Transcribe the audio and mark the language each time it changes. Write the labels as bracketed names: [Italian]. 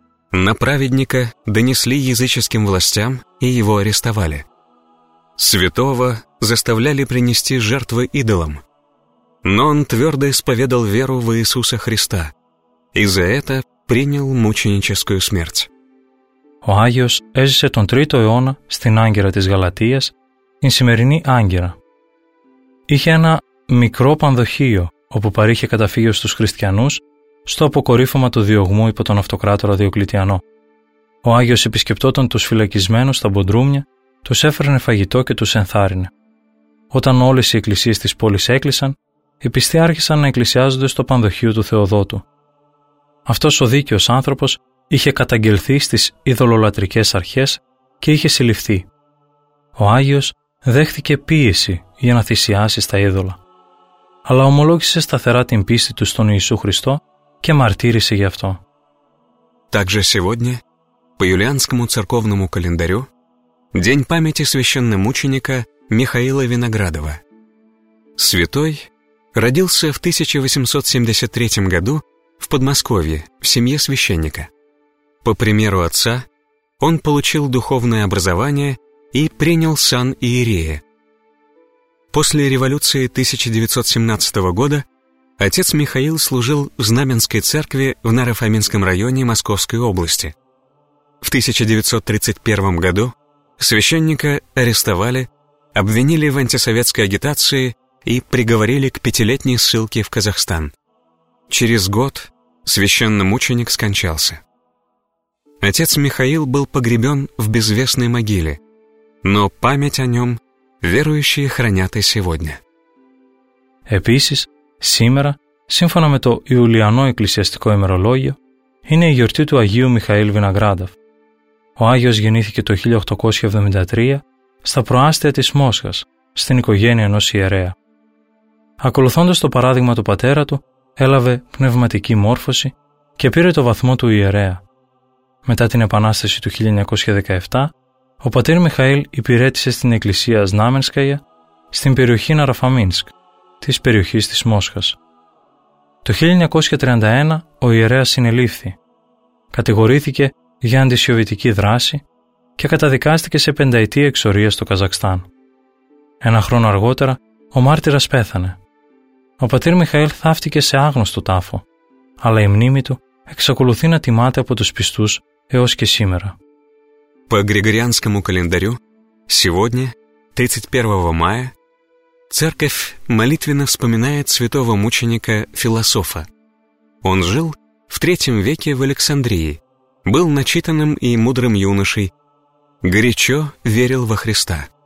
[Russian] На праведника донесли языческим властям и его арестовали. Святого заставляли принести жертвы идолам. Но он твердо исповедал веру в Иисуса Христа и за это принял мученическую смерть. [Greek] Ο Άγιος έζησε τον 3ο αιώνα στην Άγκυρα της Γαλατίας, την σημερινή Άγκυρα. Είχε ένα μικρό πανδοχείο όπου παρήχε καταφύγιο στους χριστιανούς στο αποκορύφωμα του διωγμού υπό τον αυτοκράτορα Διοκλητιανό. Ο Άγιος επισκεπτόταν τους φυλακισμένους στα Μποντρούμια, τους έφερνε φαγητό και τους ενθάρρυνε. Όταν όλες οι εκκλησίες της πόλης έκλεισαν, οι πιστοί άρχισαν να εκκλησιάζονται στο πανδοχείο του Θεοδότου. Αυτός ο δίκαιος άνθρωπος είχε καταγγελθεί στις ειδωλολατρικές αρχές και είχε συλληφθεί. Ο Άγιος δέχθηκε πίεση για να θυσιάσει στα είδωλα, αλλά ομολόγησε σταθερά την πίστη του στον Ιησού Χριστό και μαρτύρησε γι' αυτό. [Russian] Также сегодня, по юлианскому церковному календарю, день памяти священномученика Михаила Виноградова. Святой родился в 1873 году в Подмосковье в семье священника. По примеру отца, он получил духовное образование и принял сан Иерея. После революции 1917 года отец Михаил служил в Знаменской церкви в Наро-Фоминском районе Московской области. В 1931 году священника арестовали, обвинили в антисоветской агитации и приговорили к 5-летней ссылке в Казахстан. Через год священномученик скончался. Отец Михаил был погребен в безвестной могиле, но память о нем верующие хранят и сегодня. [Greek] Επίσης, σήμερα, σύμφωνα με το Ιουλιανό εκκλησιαστικό ημερολόγιο, είναι η γιορτή του Αγίου Μιχαήλ Βιναγράδοφ. Ο Άγιος γεννήθηκε το 1873 στα προάστια της Μόσχας, στην οικογένεια ενός ιερέα. Ακολουθώντας το παράδειγμα του πατέρα του, έλαβε πνευματική μόρφωση και πήρε το βαθμό του ιερέα. Μετά την Επανάσταση του 1917, ο πατήρ Μιχαήλ υπηρέτησε στην εκκλησία Σνάμενσκαια, στην περιοχή Ναροφαμίνσκ, της περιοχής της Μόσχας. Το 1931 ο ιερέας συνελήφθη. Κατηγορήθηκε για αντισοβιετική δράση και καταδικάστηκε σε πενταετή εξορία στο Καζακστάν. Ένα χρόνο αργότερα, ο μάρτυρας πέθανε. Ο πατήρ Μιχαήλ θαύτηκε σε άγνωστο τάφο, αλλά η μνήμη του εξακολουθεί να τιμάται από τους πιστούς έως και σήμερα. [Russian] По Григорианскому календарю, сегодня, 31 мая, церковь молитвенно вспоминает святого мученика Философа. Он жил в III веке в Александрии, был начитанным и мудрым юношей, горячо верил во Христа.